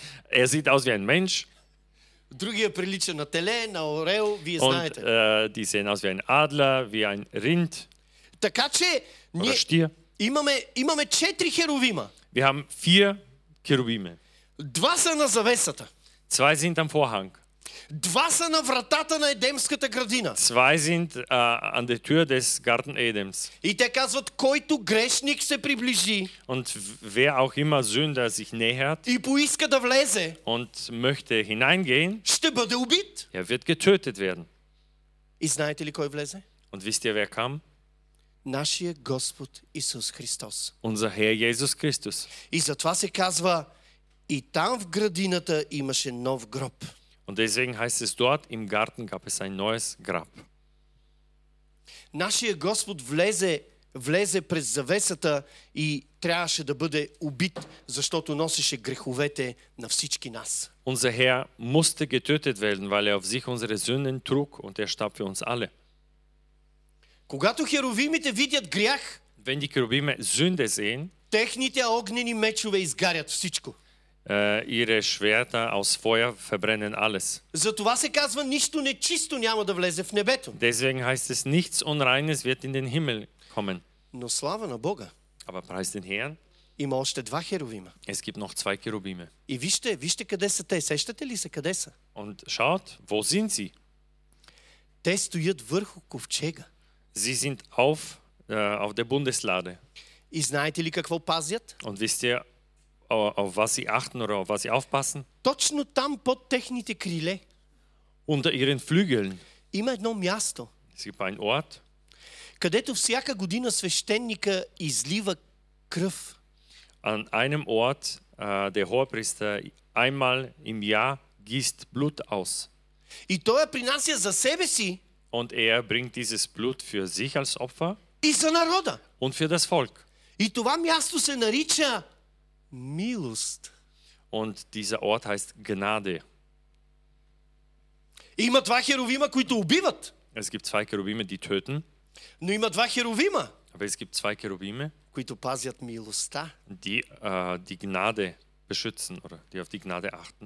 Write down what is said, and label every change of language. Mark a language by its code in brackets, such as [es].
[de] е, sieht aus wie ein Mensch. [bg] Другия прилича на теле, на орел, вие [de] und, [bg] знаете. [de] Die sehen aus wie ein Adler, wie ein Rind. [bg] Така че ние имаме четири херовима. [de] Wir haben vier Cherubime. [bg] Два са на завесата. [de] Zwei sind am Vorhang. [bg] Два са на вратата на Едемската градина. [de] Zwei sind an der Tür des Garten Edens. [bg] И те казват, който грешник се приближи. [de] Und wer auch immer Sünder sich nähert. [bg] И поиска да влезе. [de] Und möchte hineingehen. [bg] Ще бъде убит. [de] Er wird getötet werden. [bg] И знаете ли кой влезе? [de] Und wisst ihr wer kam? [bg] Нашия Господ Исус Христос. [de] Unser Herr Jesus Christus. [bg] И затова се казва, и там в градината имаше нов гроб. [de] Und deswegen heißt es dort, im Garten gab es ein neues Grab. [bg] Нашия Господ влезе през завесата и трябваше да бъде убит, защото носеше греховете на всички нас. [de] Unser Herr musste getötet werden, weil er auf sich unsere Sünden trug und er starb für uns alle. [bg] Когато херовимите видят грях, [de] wenn die Cherubime Sünde sehen, [bg] техните огнени мечове изгарят всичко. [de] Ihre Schwerter aus Feuer verbrennen alles. [bg] Затова се казва нищо нечисто няма да влезе в небето. [de] Deswegen heißt es nichts unreines wird in den Himmel kommen. [bg] Но слава на Бога. [de] Aber preis den Herrn. [bg] Има още два херовима. [de] Es gibt noch zwei Cherubime. [bg] И вижте къде са те, сещате ли се къде са? [de] Und schaut, wo sind sie? [bg] Те стоят върху ковчега. [de] Sie sind auf der Bundeslade. [bg] И знаете ли какво пазят? [de] Und wisst ihr auf was sie achten oder auf was sie aufpassen? [bg] Точно там под техните криле. [de] Unter ihren Flügeln. [bg] Има едно място. [de] Es gibt einen Ort. [bg] Където всяка година свещеника излива кръв. [de] An einem Ort, der Hohepriester einmal im Jahr gießt Blut aus. [bg] И той принася за себе си. [de] Und er bringt dieses Blut für sich als Opfer. [bg] И за народа. [de] Und für das Volk. [bg] И това място се нарича Милост. [de] Und dieser Ort heißt Gnade. [bg] Има два херовима, които убиват. [de] Es gibt zwei Cherubime, die töten. [bg] Но има два херовима. [de] Aber es gibt zwei Cherubime, [bg] които пазят милостта. [de] Die die Gnade beschützen oder die auf die Gnade achten.